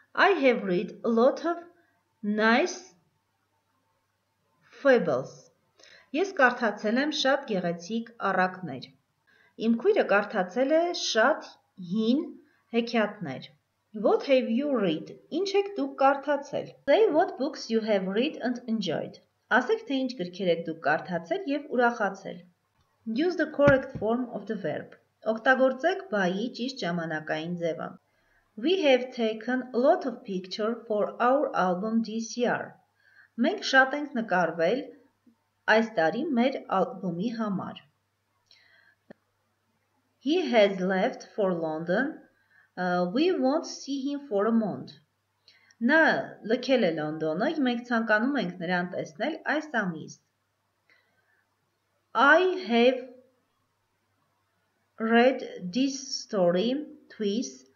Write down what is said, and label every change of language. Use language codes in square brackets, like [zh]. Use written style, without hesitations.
[en] I have read a lot of nice fables. [hy] Ես կարդացել եմ շատ գեղեցիկ առակներ. Իմ քույրը կարդացել է շատ հին հեքիաթներ. [en] What have you read? [hy] Ինչ եք դուք կարդացել? [en] Say what books you have read and enjoyed. [hy] Ասեք թե ինչ գրքեր եք դուք կարդացել եւ ուրախացել. [en] Use the correct form of the verb. [hy] Օգտագործեք բայի ճիշտ ժամանակային ձևը. [en] We have taken a lot of pictures for our album this year. [hy] Մենք շատ ենք նկարվել այս տարի մեր ալբոմի համար. [en] He has left for London. We won't see him for a month. [hy] Նա լքել է Լոնդոնը, մենք ցանկանում ենք նրան տեսնել այս ամիս։ [en] I have read this story twice.